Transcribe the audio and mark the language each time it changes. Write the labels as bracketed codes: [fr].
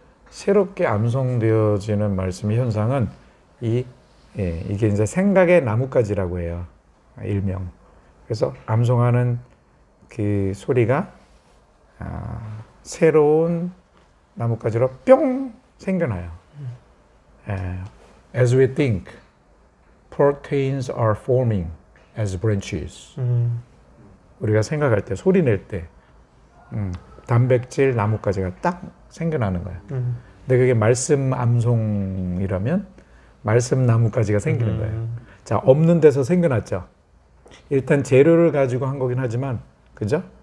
[ko] 새롭게 암송되어지는 말씀의 현상은 이 예, 이게 이제 생각의 나뭇가지라고 해요. 일명. 그래서 암송하는 그 소리가 새로운 나뭇가지로 뿅 생겨나요. [en] As we think, proteins are forming as branches. [ko] 우리가 생각할 때, 소리 낼 때 단백질 나뭇가지가 딱 생겨나는 거예요. 근데 그게 말씀 암송이라면 말씀 나뭇가지가 생기는 거예요. 자, 없는 데서 생겨났죠. 일단 재료를 가지고 한 거긴 하지만 그죠?